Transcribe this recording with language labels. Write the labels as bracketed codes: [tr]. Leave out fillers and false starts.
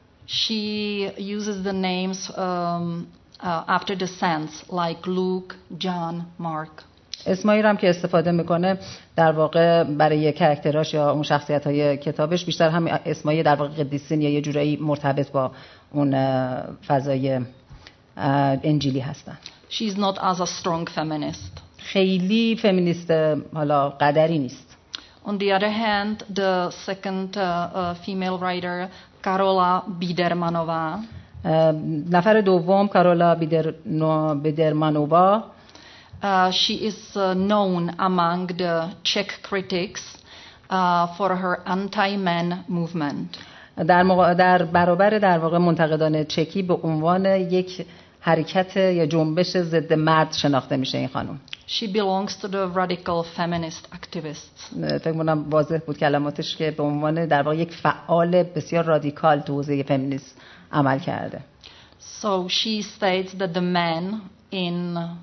[en] She uses the names after the saints like Luke, John, Mark. [fa] اسمایی رو هم که استفاده میکنه در واقع برای کاراکتراش یا اون شخصیت های کتابش بیشتر هم اسمایی در واقع قدیسین یا یه جورایی مرتبط با اون فضای انجیلی هستن. [en] She's not as a strong feminist. [fa] خیلی فمینیست حالا قدری نیست. [en] On the other hand, the second female writer, Karola Biedermanova. [fa] نفر دوم کارولا بیدرمانوبا. [en] She is known among the Czech critics for her anti-men movement. [fa] در برابر در واقع منتقدان چکی به عنوان یک حرکت یا جنبش ضد مرد شناخته میشه این خانم. [en] She belongs to the radical feminist activists. [fa] فکر می‌کنم واضح بود کلماتش که به عنوان در واقع یک فعال بسیار رادیکال تو حوزه فمینیسم عمل کرده. [en] So she states that the men in